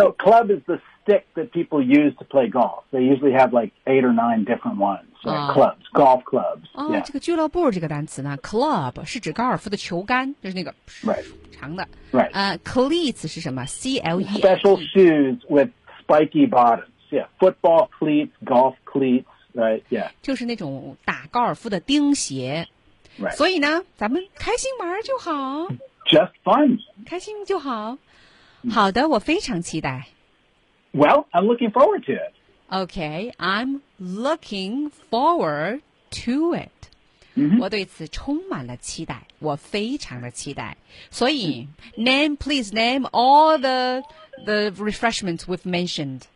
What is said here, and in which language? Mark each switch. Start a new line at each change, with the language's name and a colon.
English: So club is the stick that people use to play golf. They usually have like 8 or 9 different ones. Like clubs, golf clubs.
Chinese: 哦、
English: yeah.
Chinese: 这个俱乐部这个单词呢 ，club 是指高尔夫的球杆，就是那个长的。
English: Right.
Chinese: Cleats 是什么 ？C-L-E-A-T.
English: Special shoes with spiky bottoms. Yeah, football cleats, golf cleats, right? Yeah.
Chinese: 就是那种打高尔夫的钉鞋。
English: Right.
Chinese: 所以呢，咱们开心玩就好。
English: Just fun.
Chinese: 开心就好。好的，我非常期待。
English: Well, I'm looking forward to it. Okay, I'm looking forward to it.、 Mm-hmm.
Chinese: 我对此充满了期待，我非常的期待。所以
English: name, please name all the refreshments we've mentioned.